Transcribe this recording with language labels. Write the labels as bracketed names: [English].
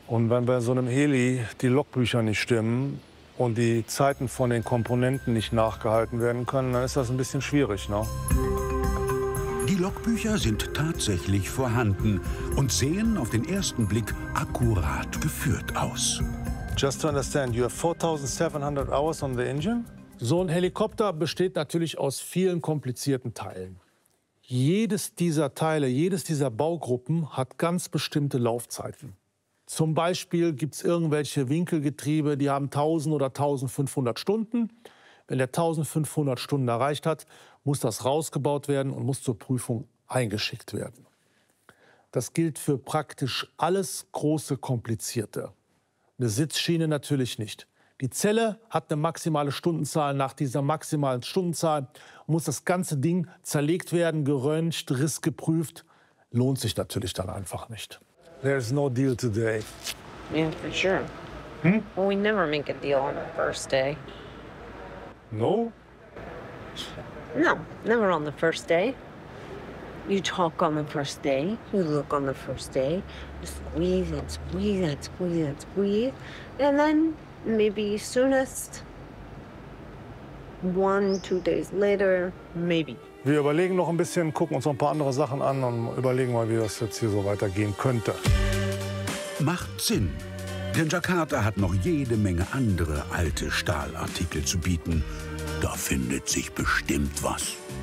[German] Und wenn bei so einem Heli die Logbücher nicht stimmen und die Zeiten von den Komponenten nicht nachgehalten werden können, dann ist das ein bisschen schwierig, ne? Die Logbücher sind tatsächlich vorhanden und sehen auf den ersten Blick akkurat geführt aus. [English] Just to understand, you have 4700 hours on the engine? [German] So ein Helikopter besteht natürlich aus vielen komplizierten Teilen. Jedes dieser Teile, jedes dieser Baugruppen hat ganz bestimmte Laufzeiten. Zum Beispiel gibt es irgendwelche Winkelgetriebe, die haben 1000 oder 1500 Stunden. Wenn der 1500 Stunden erreicht hat, muss das rausgebaut werden und muss zur Prüfung eingeschickt werden. Das gilt für praktisch alles große, komplizierte. Eine Sitzschiene natürlich nicht. Die Zelle hat eine maximale Stundenzahl. Nach dieser maximalen Stundenzahl muss das ganze Ding zerlegt werden, geröntgt, rissgeprüft. Lohnt sich natürlich dann einfach nicht. [English] There's no deal today. Yeah, for sure. Hm? Well, we never make a deal on the first day. No? No, never on the first day. You talk on the first day, you look on the first day, you squeeze and squeeze and squeeze and squeeze, and then maybe soonest, 1-2 days later, maybe. [German] Wir überlegen noch ein bisschen, gucken uns noch ein paar andere Sachen an und überlegen mal, wie das jetzt hier so weitergehen könnte. Macht Sinn, denn Jakarta hat noch jede Menge andere alte Stahlartikel zu bieten. Da findet sich bestimmt was.